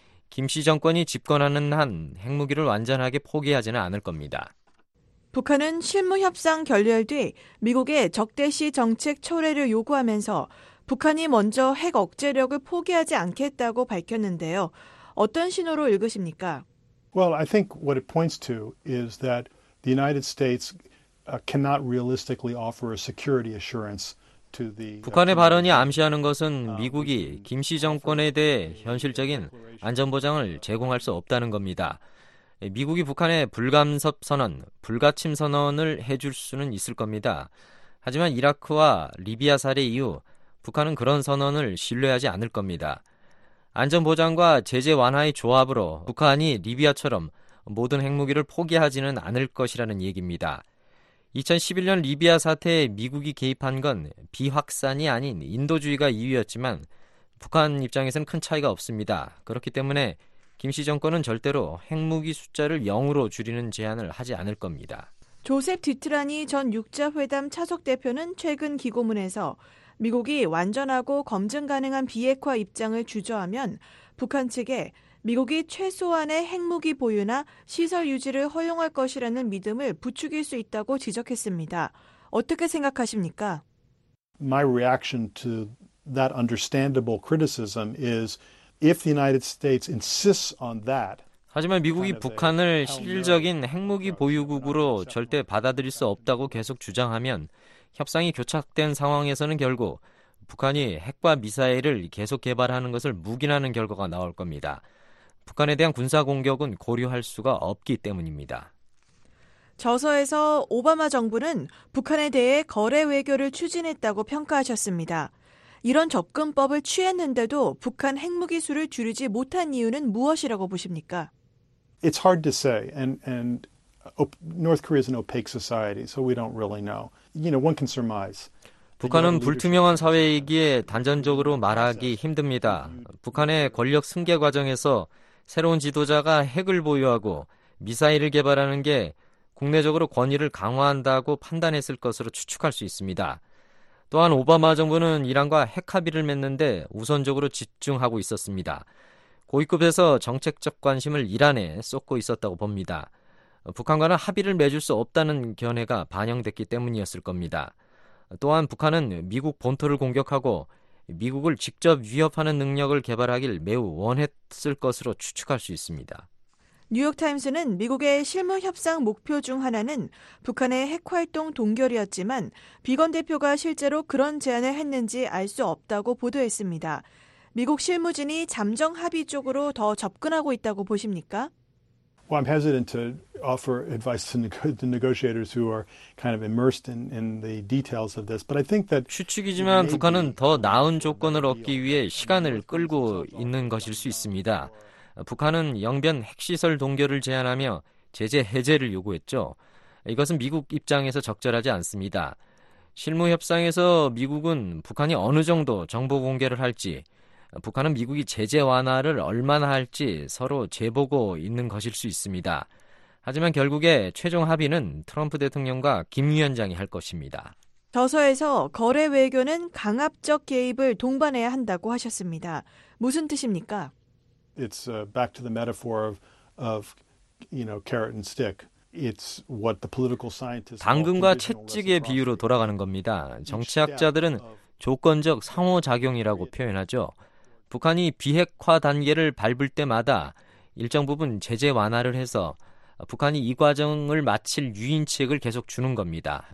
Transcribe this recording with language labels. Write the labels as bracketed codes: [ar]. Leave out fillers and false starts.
[ko] 김씨 정권이 집권하는 한 핵무기를 완전하게 포기하지는 않을 겁니다. 북한은 실무협상 결렬 뒤 미국의 적대시 정책 철회를 요구하면서 북한이 먼저 핵 억제력을 포기하지 않겠다고 밝혔는데요. 어떤 신호로 읽으십니까? [en] Well, I think what it points to is that the United States cannot realistically offer a security assurance to the [ko] 북한의 발언이 암시하는 것은 미국이 김씨 정권에 대해 현실적인 안전보장을 제공할 수 없다는 겁니다. 미국이 북한에 불감섭 선언, 불가침 선언을 해줄 수는 있을 겁니다. 하지만 이라크와 리비아 사례 이후 북한은 그런 선언을 신뢰하지 않을 겁니다. 안전보장과 제재 완화의 조합으로 북한이 리비아처럼 모든 핵무기를 포기하지는 않을 것이라는 얘기입니다. 2011년 리비아 사태에 미국이 개입한 건 비확산이 아닌 인도주의가 이유였지만 북한 입장에서는 큰 차이가 없습니다. 그렇기 때문에 김씨 정권은 절대로 핵무기 숫자를 0으로 줄이는 제안을 하지 않을 겁니다. 조셉 디트라니 전 6자회담 차석 대표는 최근 기고문에서 미국이 완전하고 검증 가능한 비핵화 입장을 주저하면 북한 측에 미국이 최소한의 핵무기 보유나 시설 유지를 허용할 것이라는 믿음을 부추길 수 있다고 지적했습니다. 어떻게 생각하십니까? [en] My reaction to that understandable criticism is if the United States insists on that. [ko] 하지만 미국이 북한을 실질적인 핵무기 보유국으로 절대 받아들일 수 없다고 계속 주장하면 협상이 교착된 상황에서는 결국 북한이 핵과 미사일을 계속 개발하는 것을 묵인하는 결과가 나올 겁니다. 북한에 대한 군사 공격은 고려할 수가 없기 때문입니다. 저서에서 오바마 정부는 북한에 대해 거래 외교를 추진했다고 평가하셨습니다. 이런 접근법을 취했는데도 북한 핵무기 수를 줄이지 못한 이유는 무엇이라고 보십니까? [en] It's hard to say and North Korea is an opaque society, so we don't really know. You know, one can surmise. [ko] 북한은 불투명한 사회이기에 단정적으로 말하기 힘듭니다. 북한의 권력 승계 과정에서 새로운 지도자가 핵을 보유하고 미사일을 개발하는 게 국내적으로 권위를 강화한다고 판단했을 것으로 추측할 수 있습니다. 또한 오바마 정부는 이란과 핵 합의를 맺는데 우선적으로 집중하고 있었습니다. 고위급에서 정책적 관심을 이란에 쏟고 있었다고 봅니다. 북한과는 합의를 맺을 수 없다는 견해가 반영됐기 때문이었을 겁니다. 또한 북한은 미국 본토를 공격하고 미국을 직접 위협하는 능력을 개발하길 매우 원했을 것으로 추측할 수 있습니다. 뉴욕타임스는 미국의 실무 협상 목표 중 하나는 북한의 핵활동 동결이었지만 비건 대표가 실제로 그런 제안을 했는지 알 수 없다고 보도했습니다. 미국 실무진이 잠정 합의 쪽으로 더 접근하고 있다고 보십니까? [en] Well, I'm hesitant to offer advice to the negotiators who are kind of immersed in the details of this, but I think that [ko] 추측이지만 북한은 더 나은 조건을 얻기 위해 시간을 끌고 있는 것일 수 있습니다. 북한은 영변 핵시설 동결을 제안하며 제재 해제를 요구했죠. 이것은 미국 입장에서 적절하지 않습니다. 실무 협상에서 미국은 북한이 어느 정도 정보 공개를 할지, 북한은 미국이 제재 완화를 얼마나 할지 서로 재보고 있는 것일 수 있습니다. 하지만 결국에 최종 합의는 트럼프 대통령과 김 위원장이 할 것입니다. 저서에서 거래 외교는 강압적 개입을 동반해야 한다고 하셨습니다. 무슨 뜻입니까? [en] It's back to the metaphor of you know carrot and stick. It's what the political scientists [ko] 당근과 채찍의 비유로 돌아가는 겁니다. 정치학자들은 조건적 상호작용이라고 표현하죠. 북한이 비핵화 단계를 밟을 때마다 일정 부분 제재 완화를 해서 북한이 이 과정을 마칠 유인책을 계속 주는 겁니다.